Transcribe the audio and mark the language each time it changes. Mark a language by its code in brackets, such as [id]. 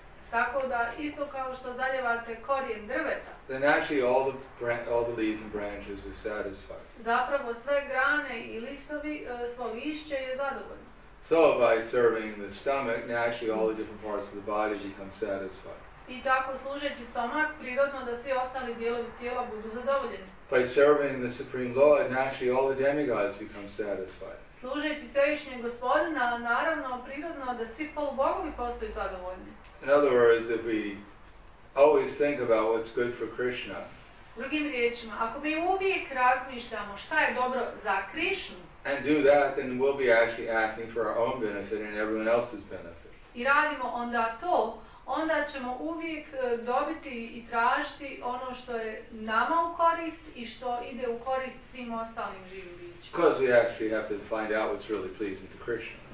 [bs] Tako da isto kao što zaljevate korijen drveta. [en] Then actually all the leaves and branches are satisfied. [bs] Zapravo sve grane i listovi svo lišće je zadovoljno. [en] So by serving the stomach, naturally all the different parts of the body become satisfied. [bs] I tako služeći stomak, prirodno da svi ostali dijelovi tijela budu zadovoljeni. [en] By serving the supreme lord, naturally all the demigods become satisfied. [bs] Služeći svevišnjeg gospodina, naravno prirodno da svi polubogovi postaju zadovoljni. [en] In other words, if we always think about what's good for Krishna. [bs] Drugim riječima, ako mi uvijek razmišljamo šta je dobro za Krishnu. [en] And do that, then we'll be actually acting for our own benefit and everyone else's benefit. [bs] I radimo onda to, onda ćemo uvijek dobiti i tražiti ono što je nama u korist i što ide u korist svim ostalim živim bićima. [en] Because we actually have to find out what's really pleasing to Krishna.